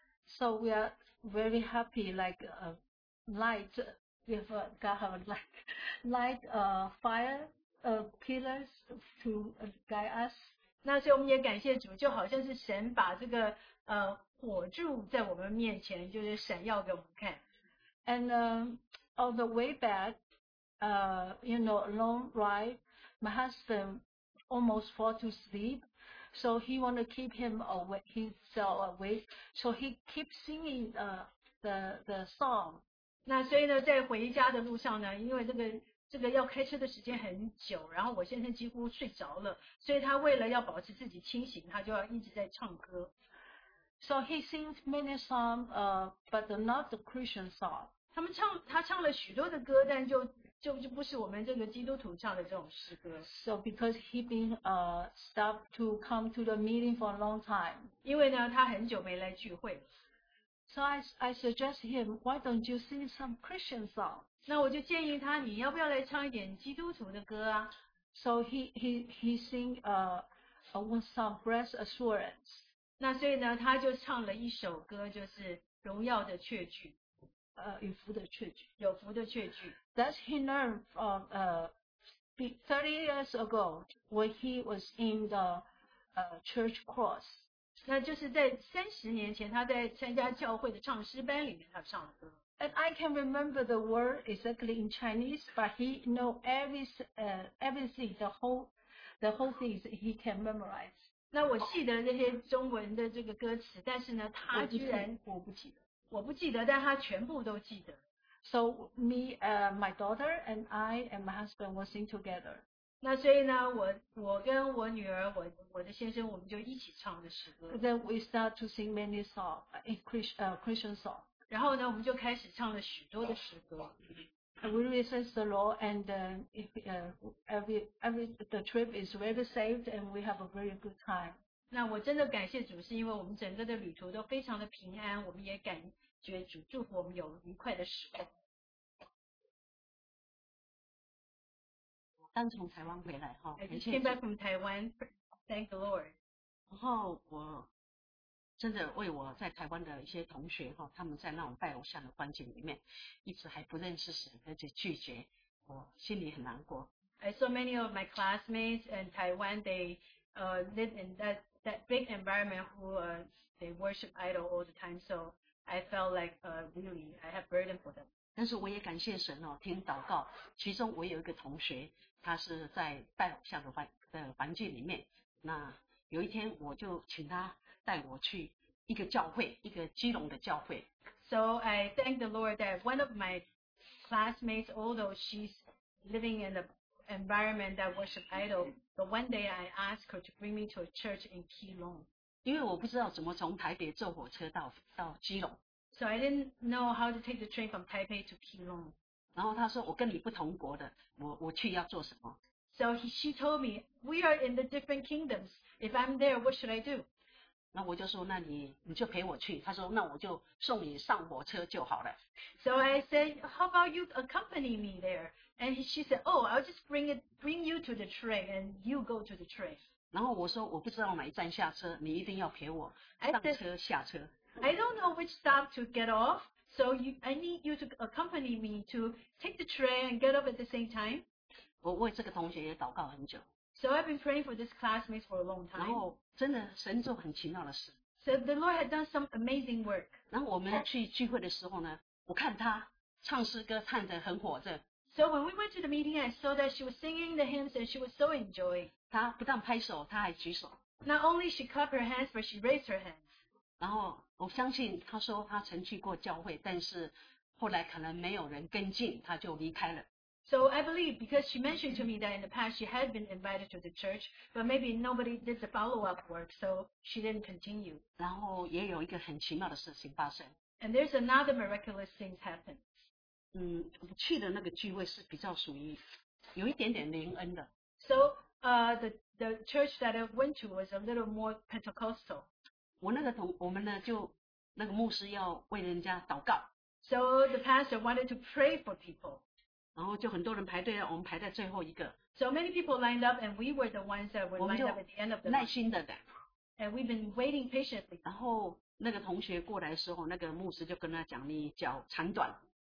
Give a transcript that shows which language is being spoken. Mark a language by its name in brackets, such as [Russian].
[English] So we are very happy, like a light, we've got a light fire pillars to guide us. [Chinese] 那所以我们也感谢主，就好像是神把这个火柱在我们面前，就是闪耀给我们看。 [English] And on the way back, you know, long ride, my husband almost fall to sleep, so he want to keep him awake, himself awake, so he keep singing the song. [Chinese] 那所以呢，在回家的路上呢，因为这个这个要开车的时间很久，然后我先生几乎睡着了，所以他为了要保持自己清醒，他就要一直在唱歌。 [English] So he sings many songs, but not the Christian song. [Chinese] 他唱了许多的歌，但就不是我们这个基督徒唱的这种诗歌。 [English] So because he been stopped to come to the meeting for a long time. [Chinese] 因为呢，他很久没来聚会。 [English] So I suggest him, why don't you sing some Christian song? [Chinese] 那我就建议他，你要不要来唱一点基督徒的歌啊？ [English] So he sing one song, Breath Assurance. [Chinese] 那所以呢，他就唱了一首歌，就是荣耀的确据。有福的确据。有福的确据。 [English] That he learned from 30 years ago when he was in the church course. [Chinese] 那就是在30年前他在参加教会的唱诗班里面他唱歌。 [English] And I can remember the word exactly in Chinese, but he know everything, the whole things he can memorize. [Chinese] 那我记得那些中文的这个歌词，但是呢，他居然我不记得，但他全部都记得。 [English] So me, my daughter and I and my husband will sing together. [Chinese] 那所以呢，我跟我女儿，我的先生，我们就一起唱的诗歌。 [English] Then we start to sing many songs, Christian songs. [Chinese] 然后呢，我们就开始唱了许多的诗歌。 [English] We resist the law, and every the trip is very safe, and we have a very good time. [Chinese] 那我真的感谢主，是因为我们整个的旅途都非常的平安，我们也感觉主祝福我们有愉快的时光。刚从台湾回来哈 [English] ，came back from Taiwan. Thank the Lord. [Chinese] 然后我真的为我在台湾的一些同学哈，他们在那种拜偶像的环境里面，一直还不认识神，而且拒绝，我心里很难过。 [English] I saw many of my classmates in Taiwan. They live in that big environment who they worship idol all the time. So I felt like really I have burden for them. [Chinese] 但是我也感谢神哦，听祷告，其中我有一个同学。他是在拜偶像的环境里面，那有一天我就请他带我去一个教会，一个基隆的教会。 [English] So I thank the Lord that one of my classmates, although she's living in an environment that worship idol, but one day I asked her to bring me to a church in Keelong. [Chinese] 因为我不知道怎么从台北坐火车到基隆。 [English] So I didn't know how to take the train from Taipei to Keelong. [Chinese] 然后他说我跟你不同国的 我去要做什么 [English] So she told me We are in the different kingdoms If I'm there what should I do [Chinese] 那我就说那你就陪我去他说那我就送你上火车就好了 [English] So I said How about you accompany me there And she said Oh I'll just bring you to the train And you go to the train [Chinese] 然后我说我不知道哪一站下车你一定要陪我上车下车 [English] I don't know which stop to get offSo I need you to accompany me to take the train and get up at the same time. [Chinese] 我为这个同学也祷告很久。 [English] So I've been praying for this classmate for a long time. [Chinese] 然后真的神做很奇妙的事。 [English] So the Lord had done some amazing work. [Chinese] 然后我们去聚会的时候呢，我看他唱诗歌唱得很火热。 [English] So when we went to the meeting, I saw that she was singing the hymns and she was so enjoying. [Chinese] 她不但拍手，她还举手。 [English] Not only she clapped her hands, but she raised her hands. [Chinese] 然后我相信他说他曾去过教会，但是后来可能没有人跟进，他就离开了。 [English] So I believe because she mentioned to me that in the past she had been invited to the church, but maybe nobody did the follow-up work, so she didn't continue. [Chinese] 然后也有一个很奇妙的事情发生。 [English] And there's another miraculous thing happened. [Chinese] 去的那个聚会是比较属于有一点点灵恩的。 [English] So the church that I went to was a little more Pentecostal. [Chinese] 我们呢就那个牧师要为人家祷告 [English] So the pastor wanted to pray for people [Chinese] 然后就很多人排队了我们排在最后一个 [English] So many people lined up and we were the ones that were lined up at the end of the [Chinese] line 耐心的等 [English] And we've been waiting patiently [Chinese] 然后那个同学过来的时候那个牧师就跟他讲你脚长短